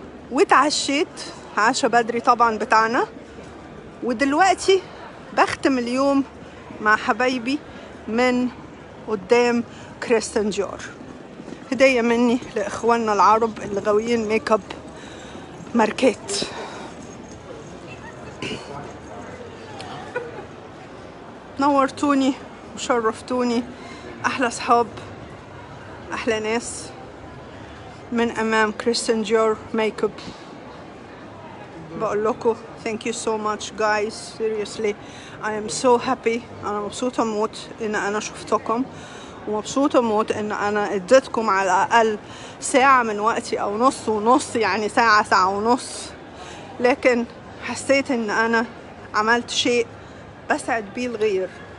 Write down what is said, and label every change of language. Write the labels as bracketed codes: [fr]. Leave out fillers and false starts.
[ar] وتعشيت عشا بدري طبعا بتاعنا، ودلوقتي بختم اليوم مع حبايبي من قدام كريستن ديور، هدية مني لإخواننا العرب اللي غاويين ميك اب ماركات. نورتوني وشرفتوني، أحلى صحاب أحلى ناس من أمام كريستن ديور ميك اب. بقول لكم [en] thank you so much guys, seriously I am so happy. [ar] أنا مبسوطة موت إن أنا شفتكم، ومبسوطة موت إن أنا اديتكم على الأقل ساعة من وقتي أو نص ونص، يعني ساعة ساعة ونص، لكن حسيت إن أنا عملت شيء بسعد بيه الغير.